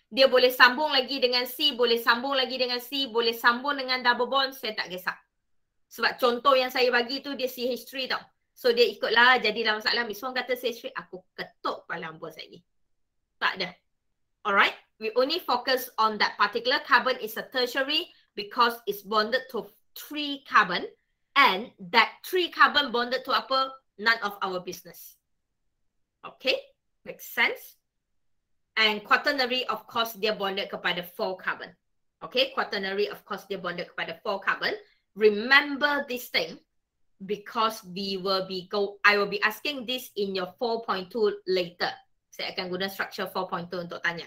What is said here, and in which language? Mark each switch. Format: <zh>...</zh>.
<ms>Dia boleh sambung lagi dengan C, boleh sambung lagi dengan C, boleh sambung dengan double bond, saya tak kisah. Sebab contoh yang saya bagi tu dia CH3 tau. So dia ikutlah, jadilah masalah. Miss Wong kata CH3, aku ketuk kepala ambil saya ni. Tak ada.</ms> <en>Alright, we only focus on that particular carbon is a tertiary because it's bonded to three carbon. And that three carbon bonded to apa? None of our business. Okay, make sense? And quaternary, of course,</en> <ms>dia bonded kepada</ms> <en>four carbon. Okay, quaternary, of course,</en> <ms>dia bonded kepada</ms> <en>four carbon. Remember this thing because I will be asking this in your 4.2 later.</en> <ms>Saya akan guna structure 4.2 untuk tanya.</ms>